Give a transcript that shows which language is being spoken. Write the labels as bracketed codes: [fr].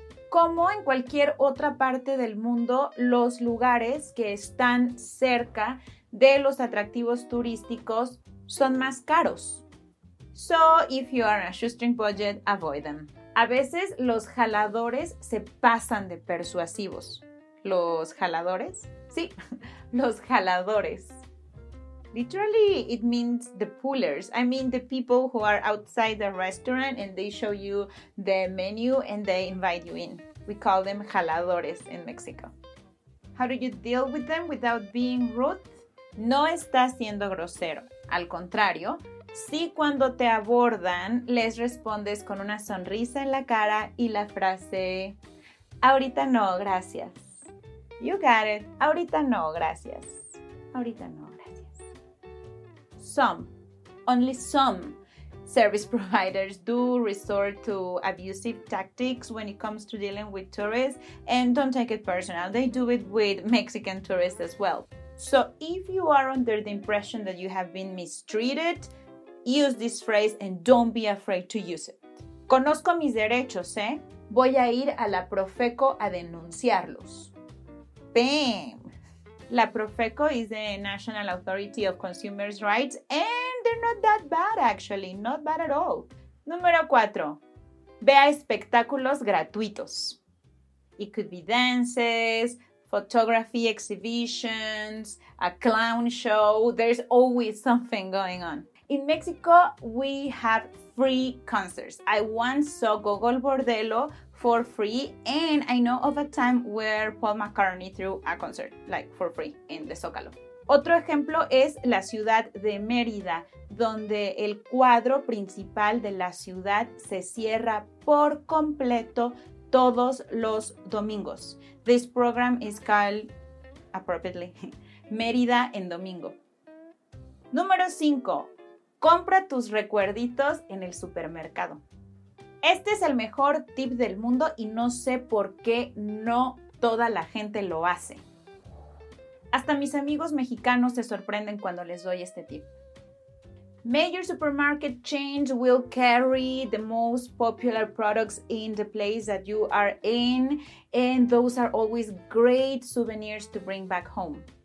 [es] Como en cualquier otra parte del mundo, los lugares que están cerca de los atractivos turísticos son más caros. [en] So, if you are on a shoestring budget, avoid them. [es] A veces los jaladores se pasan de persuasivos. ¿Los jaladores? Sí, los jaladores. [en] Literally, it means the pullers. I mean the people who are outside the restaurant and they show you the menu and they invite you in. We call them jaladores in Mexico. How do you deal with them without being rude? [es] No estás siendo grosero. Al contrario, si cuando te abordan, les respondes con una sonrisa en la cara y la frase, ahorita no, gracias. [en] You got it. [es] Ahorita no, gracias. Ahorita no, gracias. [en] Some, only some. Service providers do resort to abusive tactics when it comes to dealing with tourists, and don't take it personal, they do it with Mexican tourists as well. So if you are under the impression that you have been mistreated, use this phrase and don't be afraid to use it. [es] Conozco mis derechos, ¿eh? Voy a ir a la Profeco a denunciarlos. Bam! [en] La Profeco is the National Authority of Consumers' Rights, and they're not that bad, actually. Not bad at all. [es] Número 4. Vea espectáculos gratuitos. [en] It could be dances, photography exhibitions, a clown show. There's always something going on. In Mexico, we have free concerts. I once saw Gogol Bordello for free, and I know of a time where Paul McCartney threw a concert, like, for free, in the Zócalo. [es] Otro ejemplo es la ciudad de Mérida, donde el cuadro principal de la ciudad se cierra por completo todos los domingos. [en] This program is called, appropriately, Mérida en Domingo. [es] Número 5. Compra tus recuerditos en el supermercado. Este es el mejor tip del mundo y no sé por qué no toda la gente lo hace. Hasta mis amigos mexicanos se sorprenden cuando les doy este tip. [en] Major supermarket chains will carry the most popular products in the place that you are in, and those are always great souvenirs to bring back home.